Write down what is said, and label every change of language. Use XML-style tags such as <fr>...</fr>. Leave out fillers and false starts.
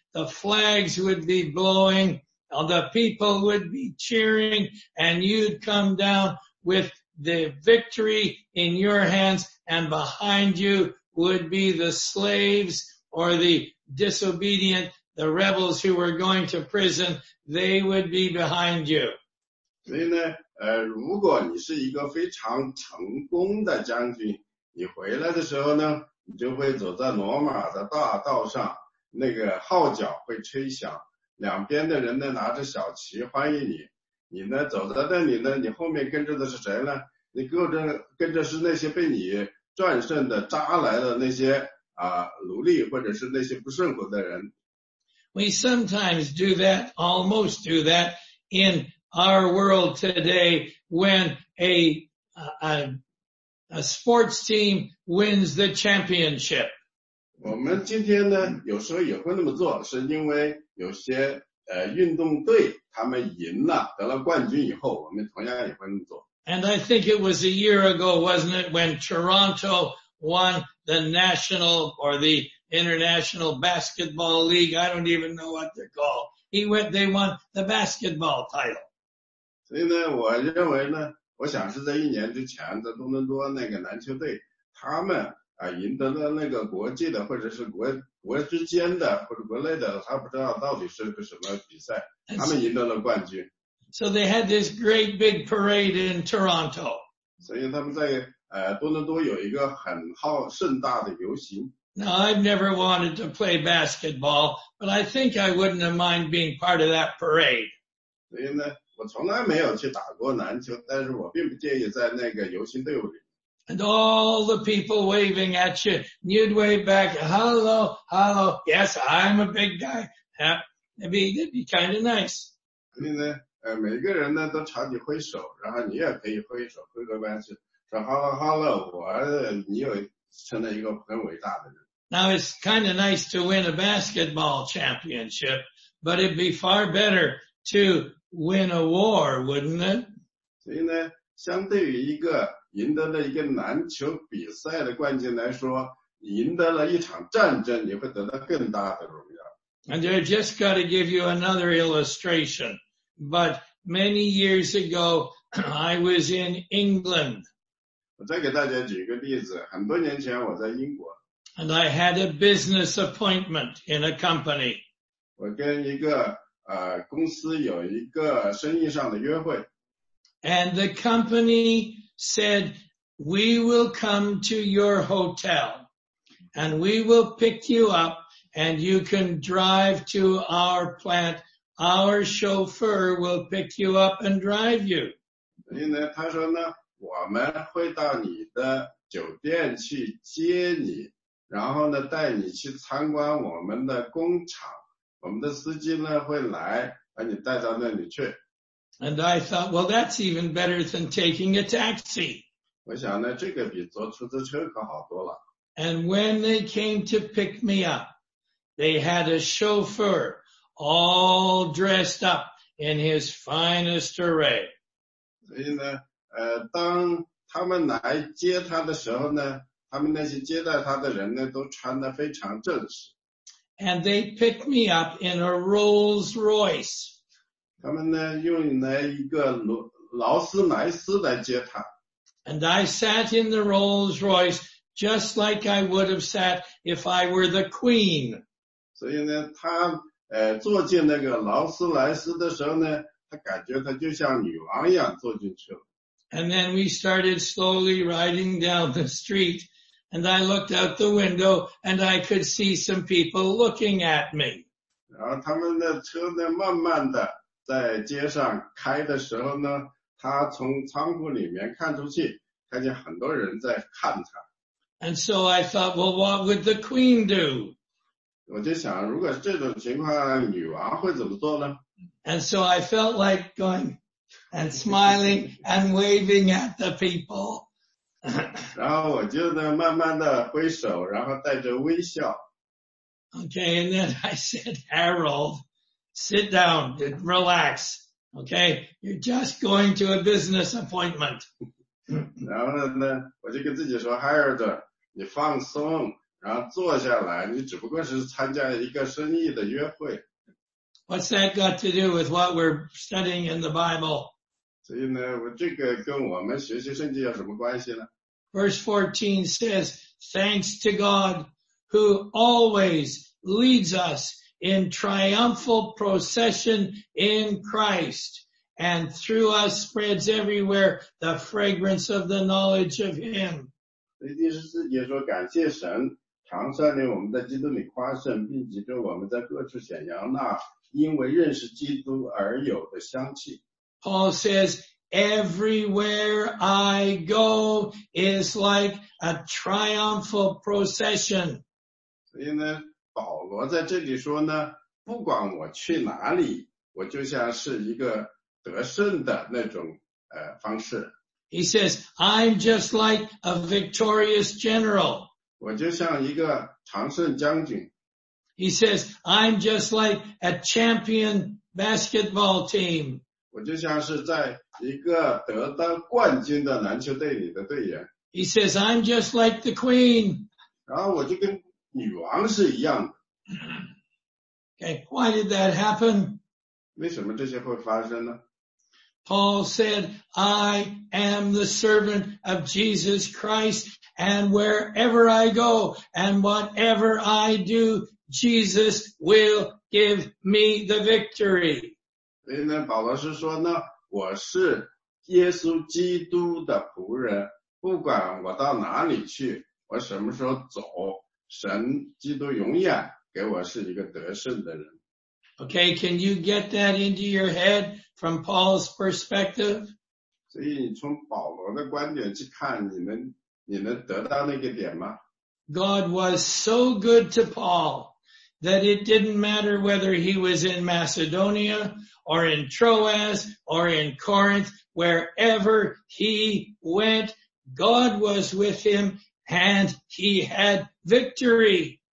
<en>The flags would be blowing. The people would be cheering. And you'd come down with the victory in your hands. And behind you would be the slaves or the disobedient, the rebels who were going to prison, they would be behind you.</en> <zh>所以呢，如果你是一个非常成功的将军，你回来的时候呢，你就会走在罗马的大道上，那个号角会吹响，两边的人呢拿着小旗欢迎你。你呢走在那里呢，你后面跟着的是谁呢？你跟着是那些被你战胜的扎来的那些奴隶，或者是那些不顺服的人。</zh> <en>We sometimes do that, almost do that in our world today when a sports team wins the championship.</en> <zh>我们今天呢，有时候也会那么做，是因为有些运动队他们赢了，得了冠军以后，我们同样也会那么做。</zh> <en>And I think it was a year ago, wasn't it, when Toronto won the national or the international basketball league. I don't even know what they're called. They won the basketball title.</en> <zh>所以呢，我认为呢，我想是在一年之前，在多伦多那个篮球队，他们赢得了那个国际的或者是 国之间的或者国内的，他不知道到底是个什么比赛，他们赢得了冠军。</zh> <en>So they had this great big parade in Toronto.</en> <zh>所以他们在多伦多有一个很好盛大的游行。</zh> <en>Now, I've never wanted to play basketball, but I think I wouldn't have mind being part of that parade.</en> <zh>所以呢，我从来没有去打过篮球，但是我并不介意在那个游行队伍里。</zh> <en>And all the people waving at you, and you'd wave back, hello, hello, yes, I'm a big guy. It'd be kind of nice.</en> <zh>所以呢，每个人呢都朝你挥手，然后你也可以挥手，挥个弯去，说</zh> <en>hello, hello,</en> <zh>你有。成了一个很伟大的人。</zh> <en>Now it's kind of nice to win a basketball championship, but it'd be far better to win a war, wouldn't it?</en> <zh>所以呢，相对于一个赢得了一个篮球比赛的冠军来说，赢得了一场战争，你会得到更大的荣耀。</zh> <en>And I just got to give you another illustration. But many years ago, I was in England.</en> <zh>我再给大家举一个例子，很多年前我在英国。</zh> <en>And I had a business appointment in a company.</en> <zh>我跟一个公司有一个生意上的约会。</zh> <en>And the company said, we will come to your hotel, and we will pick you up, and you can drive to our plant. Our chauffeur will pick you up and drive you.</en> <zh>所以呢，他说呢，我们会到你的酒店去接你，然后呢带你去参观我们的工厂，我们的司机呢会来把你带到那里去。</zh> <en>And I thought, well, that's even better than taking a taxi.</en> <zh>我想呢，这个比坐出租车可好多了。</zh> <en>And when they came to pick me up, they had a chauffeur all dressed up in his finest array.</en> <zh>所以呢当他们来接他的时候呢，他们那些接待他的人呢都穿得非常正式。</zh> <en>And they picked me up in a Rolls Royce.</en> <zh>他们呢用了一个劳斯莱斯来接他。</zh> <en>And I sat in the Rolls Royce just like I would have sat if I were the Queen.</en> <zh>所以呢他坐进那个劳斯莱斯的时候呢，他感觉他就像女王一样坐进去了。</zh> <en>And then we started slowly riding down the street, and I looked out the window, and I could see some people looking at me.</en> <zh>然后他们的车呢，慢慢的在街上开的时候呢，他从窗户里面看出去，看见很多人在看他。</zh> <en>And so I thought, well, what would the queen do?</en> <zh>我就想，如果这种情况，女王会怎么做呢？</zh> <en>And so I felt like going,and smiling and waving at the people.</en> <zh>然后我就呢慢慢的挥手，然后带着微笑。</zh> <en>Okay, and then I said, Harold, sit down, relax. Okay, you're just going to a business appointment.</en> <zh>然后呢，我就跟自己说 ，Harold， 你放松，然后坐下来，你只不过是参加一个生意的约会。</zh> <en>What's that got to do with what we're studying in the Bible?</en> <zh>所以呢，这个跟我们学习圣经有什么关系呢？</zh> <en>Verse 14 says, thanks to God who always leads us in triumphal procession in Christ and through us spreads everywhere the fragrance of the knowledge of Him.</en> <zh>所以第十四节说，感谢神常率领我们在基督里夸胜，并藉着我们在各处显扬那因为认识基督而有的香气。</zh> <en>Paul says, everywhere I go is like a triumphal procession.</en> <zh>所以呢，保罗在这里说呢，不管我去哪里，我就像是一个得胜的那种方式。</zh> <en>He says, I'm just like a victorious general.</en> <zh>我就像一个常胜将军。</zh> <en>He says, I'm just like a champion basketball team.</en> <zh>我就像是在一个得到冠军的篮球队里的队员。</zh> <en>He says, I'm just like the queen.</en> <zh>然后我就跟女王是一样的。</zh> <en>Okay, why did that happen?</en> <zh>为什么这些会发生呢？</zh> <en>Paul said, I am the servant of Jesus Christ, and wherever I go and whatever I do, Jesus will give me the victory.</en> <zh>所以呢，保罗是说呢，我是耶稣基督的仆人，不管我到哪里去，我什么时候走，神基督永远给我是一个得胜的人。</zh> <en>Okay, can you get that into your head from Paul's perspective?</en> <zh>所以你从保罗的观点去看，你能得到那个点吗？</zh> <en>God was so good to Paul that it didn't matter whether he was in Macedonia or in Troas or in Corinth, wherever he went, God was with him and he had victory.</en>